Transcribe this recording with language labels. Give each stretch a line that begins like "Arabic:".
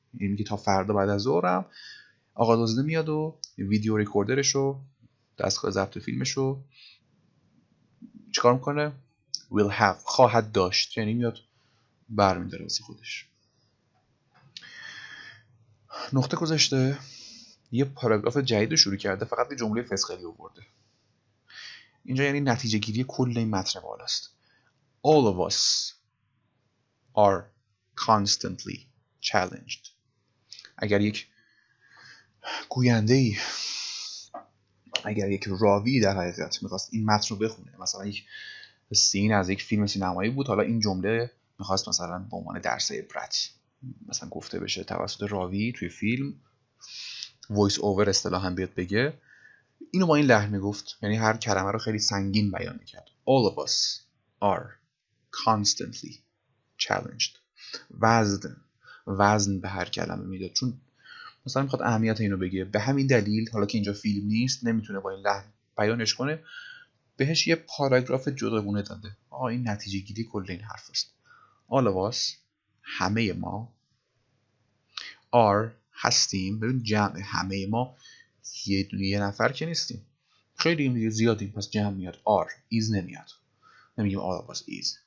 Persian: یعنی که تا فردا بعد از ظهرم آقا دزده میاد و ویدیو ریکوردرش و دستگاه ضبط فیلمش رو چیکار میکنه؟ will have، خواهد داشت، یعنی میاد برمیداره واسه خودش. نقطه گذاشته، یه پاراگراف جدید شروع کرده، فقط یه جمله فسخلی آورده. اینجا یعنی نتیجه گیری کل این متن بالاست.
English: All of us are constantly challenged.
Persian: اگر یک گویندهی، اگر یک راوی در حقیقت میخواست این متن رو بخونه، مثلا یک سین از یک فیلم سینمایی بود، حالا این جمله میخواست مثلا به عنوان درس عبرت مثلا گفته بشه توسط راوی توی فیلم، وایس اوور اصطلاحا بیاد بگه، اینو با این لحن میگفت، یعنی هر کلمه رو خیلی سنگین بیان میکرد.
English: All of us are constantly challenged.
Persian: وزن به هر کلمه میداد، چون مثلا میخواد اهمیت اینو بگه. به همین دلیل، حالا که اینجا فیلم نیست نمیتونه با این لحن بیانش کنه، بهش یه پاراگراف جداگونه داده. آه این نتیجه گیری کل این حرف است.
English: All of us،
Persian: همه ما، are، هستیم، ببین جمع همه ما، یه نفر که نیستیم، خیلی هم دیگه زیادیم، پس جمع میاد، are، is نمیاد، نمیگیم
English: all of us is.